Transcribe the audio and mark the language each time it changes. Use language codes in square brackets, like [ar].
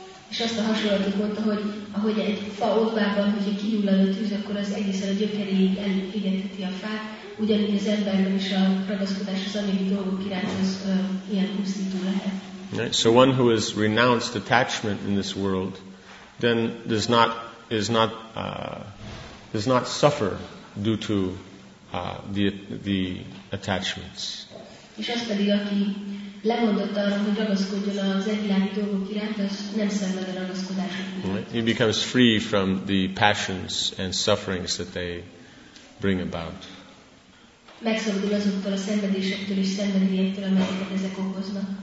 [hu] És azt a hasonlatot mondta, hogy ahogy egy fa odvában, hogyha kiullad a tűz, akkor az egészen a gyökeréig elégetheti a fát, ugyanígy az emberben is a ragaszkodás az anyagi dolgok iránt az ilyen pusztító lehet. [en] Right. So one who has renounced attachment in this world, then does not suffer due to the attachments. [hu] És azt pedig, aki lemondott arra, hogy ragaszkodjon az egyvilági dolgok iránt, az nem szenved a ragaszkodások iránt. [en] He becomes free from the passions and sufferings that they bring about. [hu] Megszabadul azoktól a szenvedésektől és szenvedélyektől, amelyeket ezek okoznak.